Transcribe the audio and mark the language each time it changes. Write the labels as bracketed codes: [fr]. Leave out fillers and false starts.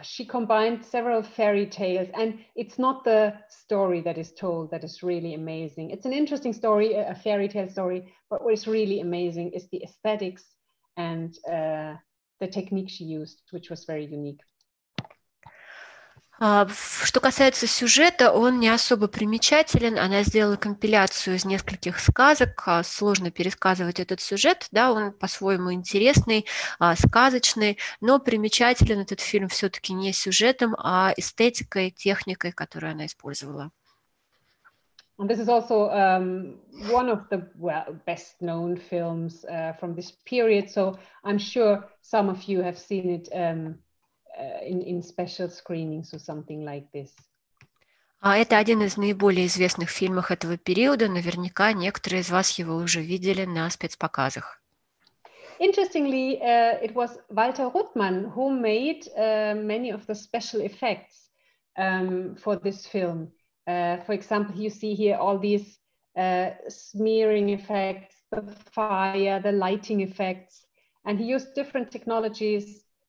[en] She combined several fairy tales, and it's not the story that is told that is really amazing. It's an interesting story, a fairy tale story, but what is really amazing is the aesthetics and the technique she used, which was very unique. [ru] Что касается сюжета, он не особо примечателен. Она сделала компиляцию из нескольких сказок. Сложно пересказывать этот сюжет, да, он по-своему интересный, сказочный, но примечателен этот фильм все-таки не сюжетом, а эстетикой, техникой, которую она использовала. [en] And this is also one of the best known films from this period. So I'm sure some of you have seen it. In special screenings or something like this. [ru] Это один из наиболее известных фильмов этого периода. Наверняка некоторые из вас его уже видели на спецпоказах. [en] Interestingly, it was Walter Ruttmann who made many of the special effects for this film. For example, you see here all these smearing effects, the fire, the lighting effects, and he used different technologies.